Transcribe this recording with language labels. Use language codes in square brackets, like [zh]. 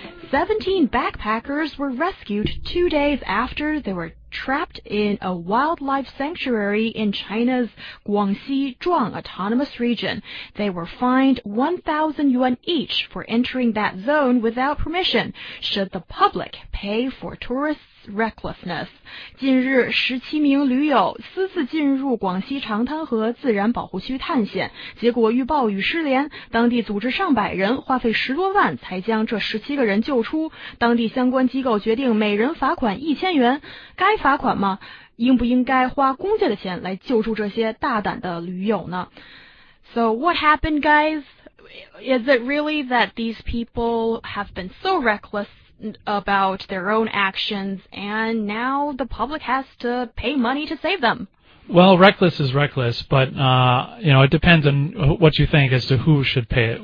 [en] 17 backpackers were rescued 2 days after they were trapped in a wildlife sanctuary in China's Guangxi Zhuang Autonomous Region. They were fined 1,000 yuan each for entering that zone without permission, should the public pay for tourists' recklessness. [zh] 近日，17名驴友私自进入广西长滩河自然保护区探险，结果遇暴雨失联，当地组织上百人，花费十多万才将这17个人救出。当地相关机构决定每人罚款1000元。该罚款吗？应不应该花公家的钱来救助这些大胆的驴友呢？ [en] So what happened, guys? Is it really that these people have been so reckless about their own actions and now the public has to pay money to save them? Well, reckless is reckless, but you know, it depends on what you think as to who should pay it.